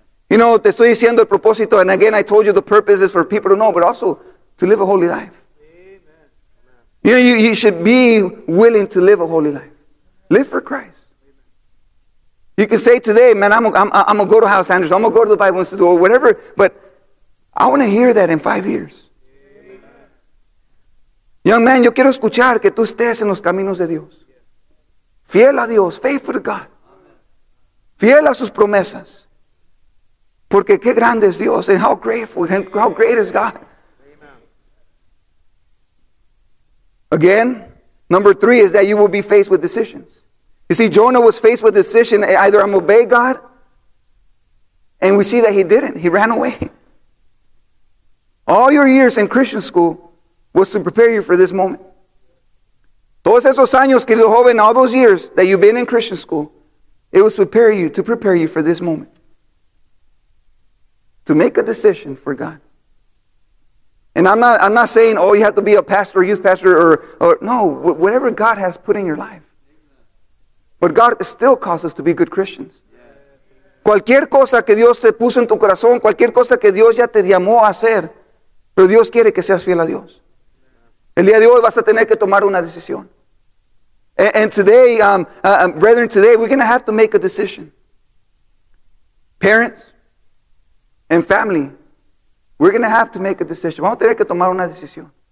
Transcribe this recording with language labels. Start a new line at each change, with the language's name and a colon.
English: You know,
Spanish: te estoy diciendo el propósito,
English: and again, I told you the purpose is for people to know, but also to live a holy life. Amen. You know, you should be willing to live a holy life. Live for Christ. You can say today, man, I'm going to go to House Andrews, I'm going to go to the Bible Institute, or whatever, but I want to hear that in 5 years. Amen. Young man,
Spanish: yo quiero escuchar que tú estés en los caminos de Dios. Fiel a Dios,
English: faithful to God.
Spanish: Fiel a sus promesas. Porque qué grande es Dios,
English: and how grateful, and how great is God. Again, number 3 is that you will be faced with decisions. You see, Jonah was faced with a decision, either I'm obey God, and we see that he didn't, he ran away. All your years in Christian school was to prepare you for this moment.
Spanish: Todos esos años, querido joven,
English: all those years that you've been in Christian school, it was to prepare you for this moment. To make a decision for God. And I'm not saying, oh, you have to be a pastor, youth pastor, or no, whatever God has put in your life. But God still calls us to be good Christians.
Spanish: Cualquier cosa que Dios te puso en tu corazón, cualquier cosa que Dios ya te llamó a hacer, pero Dios quiere que seas fiel a Dios. El día de hoy vas a tener que tomar una decisión.
English: And today, brethren, today, we're going to have to make a decision. Parents and family, we're going to have to make a decision.
Spanish: Vamos a tener que tomar una decisión.